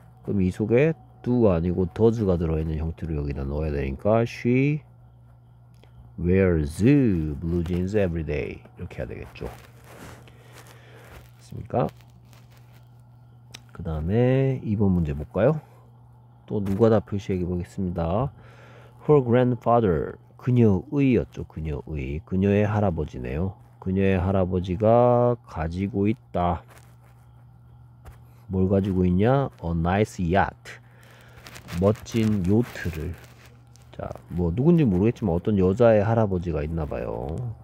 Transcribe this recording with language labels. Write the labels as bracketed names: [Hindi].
[Korean] 그럼 이 속에 do가 아니고 does가 들어있는 형태로 여기다 넣어야 되니까 [English] she wears blue jeans every day [Korean] 이렇게 해야 되겠죠. 맞습니까? 그 다음에 2번 문제 볼까요? 또 누가 다 표시해 보겠습니다. [English] Her grandfather [Korean] 그녀의였죠. 그녀의 그녀의 할아버지네요. 그녀의 할아버지가 가지고 있다. 뭘 가지고 있냐? [English] A nice yacht. [Korean] 멋진 요트를. 자, 뭐 누군지 모르겠지만 어떤 여자의 할아버지가 있나 봐요.